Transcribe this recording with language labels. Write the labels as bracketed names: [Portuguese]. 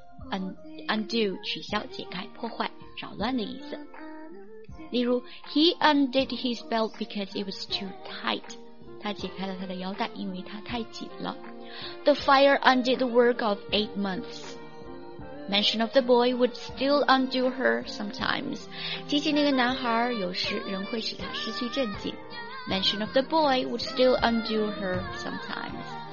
[Chinese] Undo, 取消、解开、破坏、扰乱的意思。 [English] 例如 he undid his belt because it was too tight. [Chinese] 他解开了他的腰带因为他太紧了。 [English] The fire undid the work of 8 months. Mention of the boy would still undo her sometimes. [Chinese] 提起那个男孩有时仍会使他失去镇静。 [English] Mention of the boy would still undo her sometimes.